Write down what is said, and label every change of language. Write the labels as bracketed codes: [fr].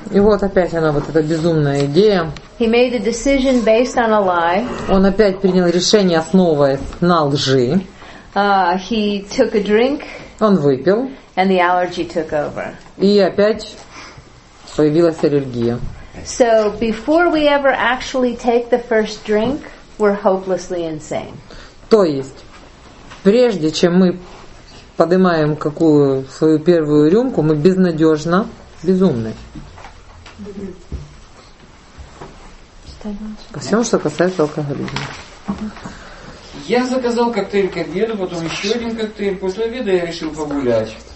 [ru] И вот опять она, вот эта безумная идея. [en] He made a decision based on a lie. [ru] Он опять принял решение, основываясь на лжи. [en] He took a drink. [ru] Он выпил. [en] And the allergy took over. [ru] И опять появилась аллергия. [en] So before we ever actually take the first drink, we're hopelessly insane. [ru] То есть, прежде чем мы поднимаем свою первую рюмку, мы безнадежно безумны. Во всем, что касается алкоголизма. Я заказал коктейль к обеду, потом еще один коктейль. После обеда я решил погулять.